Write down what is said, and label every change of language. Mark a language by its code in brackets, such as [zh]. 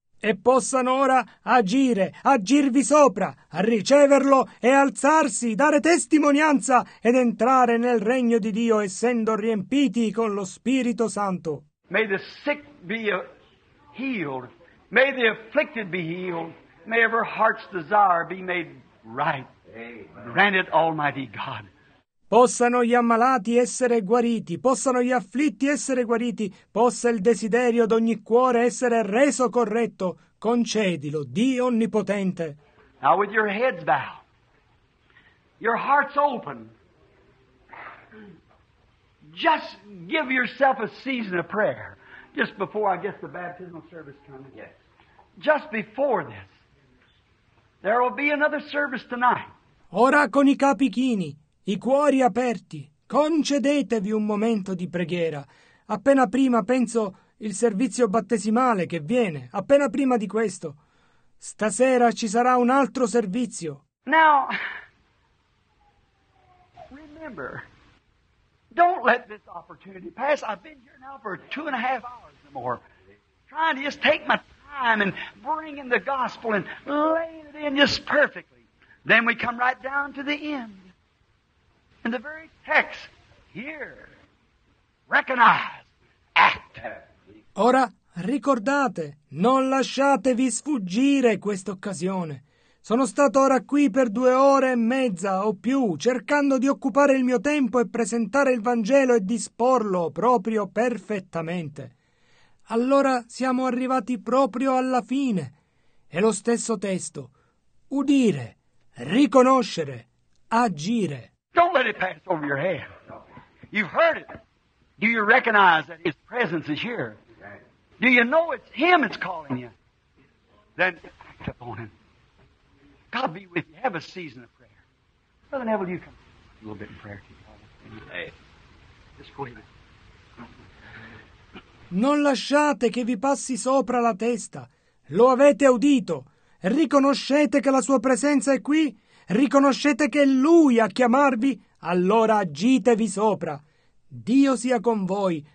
[it] E possano ora agire, agirvi sopra, a riceverlo e alzarsi, dare testimonianza ed entrare nel regno di Dio essendo riempiti con lo Spirito Santo. [en] May the sick be healed. May the afflicted be healed. May every heart's desire be made right. Granted Almighty God. [it] Possano gli ammalati essere guariti, possano gli afflitti essere guariti, possa il desiderio d'ogni cuore essere reso corretto, concedilo, Dio onnipotente. [en] Now with your heads bowed, your hearts open, just give yourself a season of prayer, just before I guess the baptismal service comes. Yes. Just before this, there will be another service tonight. [it] Ora con i capi chini, i cuori aperti, concedetevi un momento di preghiera. Appena prima, penso, il servizio battesimale che viene, appena prima di questo. Stasera ci sarà un altro servizio. [en] Now, remember, don't let this opportunity pass. I've been here now for 2.5 hours or more, trying to just take my time and bring in the gospel and lay it in just perfectly. Then we come right down to the end. In the very text, here, recognize, act. [it] Ora, ricordate, non lasciatevi sfuggire quest'occasione. Sono stato ora qui per 2 ore e mezza o più, cercando di occupare il mio tempo e presentare il Vangelo e disporlo proprio perfettamente. Allora siamo arrivati proprio alla fine. È lo stesso testo. Udire, riconoscere, agire. [en] Don't let it pass over your head. You've heard it. Do you recognize that His presence is here? Do you know it's Him that's calling you? Then act upon Him. God be with you. Have a season of prayer. Brother Neville, you come a little bit in prayer. Just go ahead. [it] Non lasciate che vi passi sopra la testa. Lo avete udito. Riconoscete che la Sua presenza è qui? Riconoscete che è Lui a chiamarvi? Allora agitevi sopra. Dio sia con voi.